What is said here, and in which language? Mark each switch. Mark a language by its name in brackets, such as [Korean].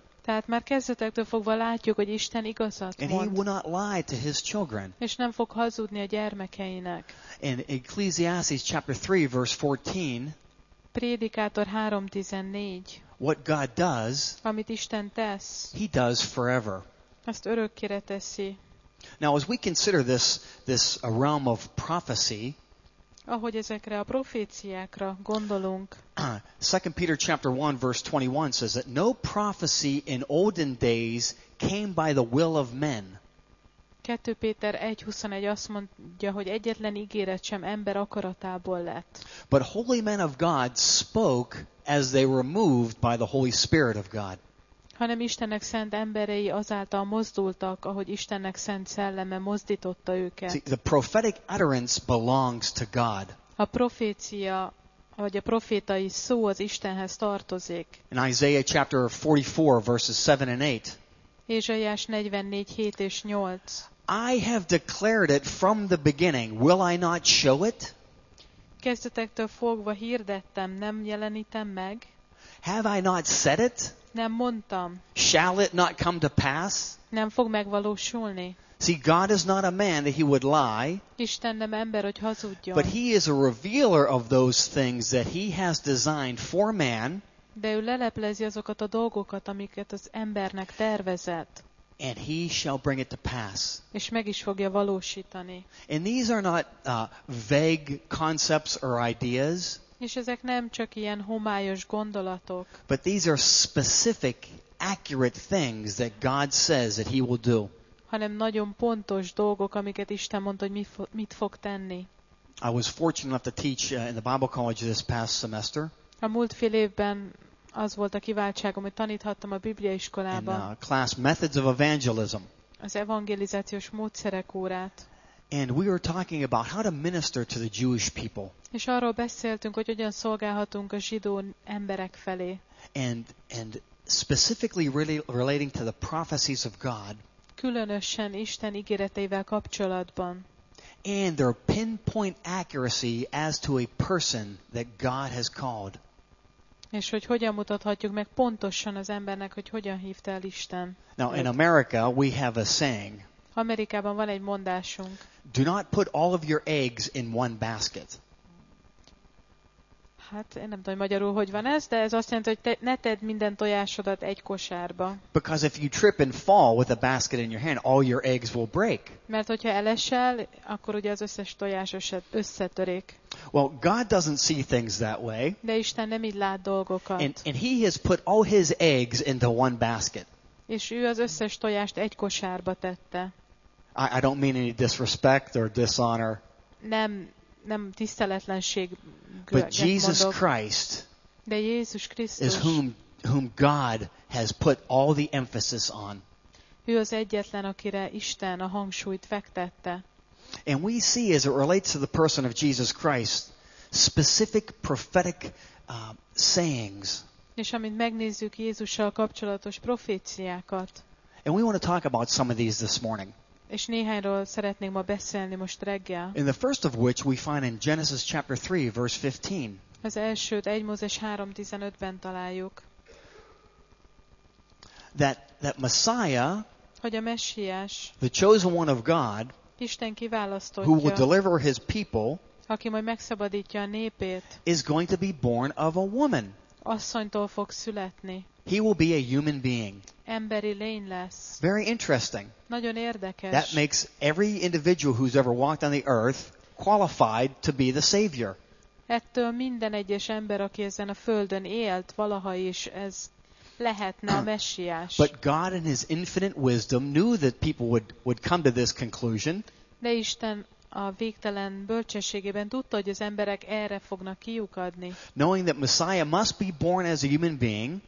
[Hungarian] Tehát már kezdetektől fogva látjuk, hogy Isten igazat mond. [English] And he will not lie to his children. [Hungarian] És nem fog hazudni a gyermekeinek. [English] In Ecclesiastes chapter 3, verse 14. [Hungarian] Prédikátor 3:14. [English] What God does, [Hungarian] amit Isten tesz, [English] he does forever. [Hungarian] Azt örökkére teszi. [English] Now as we consider this realm of prophecy, [Hungarian] ahogy ezekre a proféciákra gondolunk. [English] 2 Peter chapter 1 verse 21 says that no prophecy in olden days came by the will of men. [Hungarian] 2 Péter 1:21 azt mondja, hogy egyetlen ígéret sem ember akaratából lett. [English] But holy men of God spoke as they were moved by the Holy Spirit of God. [Hungarian] Hanem Istennek szent emberei azáltal mozdultak, ahogy Istennek szent szelleme mozdította őket. [English] See, the prophetic utterance belongs to God. [Hungarian] A profécia vagy a profétai szó az Istenhez tartozik. [English] In Isaiah chapter 44 verses 7 and 8. [Hungarian] Ézsaiás 44:7-8. [English] I have declared it from the beginning. Will I not show it? [Hungarian] Kezdetektől fogva hirdettem, nem jelenítem meg? [English] Have I not said it? [Hungarian] Nem mondtam. [English] Shall it not come to pass? [Hungarian] Nem fog megvalósulni. [English] See, God is not a man that he would lie. [Hungarian] Isten nem ember, hogy hazudjon. [English] But he is a revealer of those things that he has designed for man. [Hungarian] De ő leleplezi azokat a dolgokat, amiket az embernek tervezett. [English] And he shall bring it to pass. [Hungarian] És meg is fogja valósítani. [English] And these are not vague concepts or ideas. [Hungarian] És ezek nem csak ilyen homályos gondolatok. [English] But these are specific, accurate things that God says that he will do. [Hungarian] hanem nagyon pontos dolgok, amiket Isten mondta, hogy mit fog tenni. [English] I was fortunate enough to teach in the Bible College this past semester. [Hungarian] A múlt fél évben az volt a kiváltságom, hogy taníthattam a Biblia iskolában. [English] In class Methods of Evangelism. [Hungarian] Az evangelizációs módszerek órát. [English] And we were talking about how to minister to the Jewish people. [Hungarian] És arról beszéltünk, hogy hogyan szolgálhatunk a zsidó emberek felé. [English] And specifically really relating to the prophecies of God. [Hungarian] Különösen Isten ígéreteivel kapcsolatban. [English] And their pinpoint accuracy as to a person that God has called. [Hungarian] És hogy hogyan mutathatjuk meg pontosan az embernek, hogy hogyan hívta el Isten. [English] Now in America we have a saying. [Hungarian] Amerikában van egy mondásunk. [English] Do not put all of your eggs in one basket. [Hungarian] Hát én nem tudom, hogy magyarul hogy van ez, de ez azt jelenti, hogy ne tedd minden tojásodat egy kosárba. [English] Because if you trip and fall with a basket in your hand, all your eggs will break. [Hungarian] Mert hogyha elesel, akkor ugye az összes tojás összetörik. [English] Well, God doesn't see things that way. [Hungarian] De Isten nem így lát dolgokat. [English] And he has put all his eggs into one basket. [Hungarian] És ő az összes tojást egy kosárba tette. [English] I don't mean any disrespect or dishonor. [Hungarian] Nem tiszteletlenség. [English] But Jesus Christ is whom God has put all the emphasis on. [Hungarian] Ő az egyetlen, akire Isten a hangsúlyt fektette. [English] And we see as it relates to the person of Jesus Christ, specific prophetic sayings. [Hungarian] És amint megnézzük Jézussal kapcsolatos proféciákat. [English] And we want to talk about some of these this morning. [Hungarian] És néhányról szeretnénk ma beszélni most reggel. [English] In the first of which we find in Genesis chapter 3 verse 15. [Hungarian] Az elsőt 1 Mózes 3:15-ben találjuk. [English] That Messiah, [Hungarian] hogy a Messiás, [English] the chosen one of God, [Hungarian] Isten kiválasztottja, [English] who will deliver his people, [Hungarian] aki majd megszabadítja a népét, [English] is going to be born of a woman. [Hungarian] Asszonytól fog születni. [English] He will be a human being. [Hungarian] Emberi lény lesz. [English] Very interesting. [Hungarian] Nagyon érdekes. [English] That makes every individual who's ever walked on the earth qualified to be the Savior. [Hungarian] Ettől minden egyes ember, aki ezen a földön élt, valaha is ez lehetne a Messiás. [English] But God in his infinite wisdom knew that people would come to this conclusion. [Hungarian] De Isten a végtelen bölcsességében tudta, hogy az emberek erre fognak kiukadni. [English] Knowing that Messiah must be born as a human being.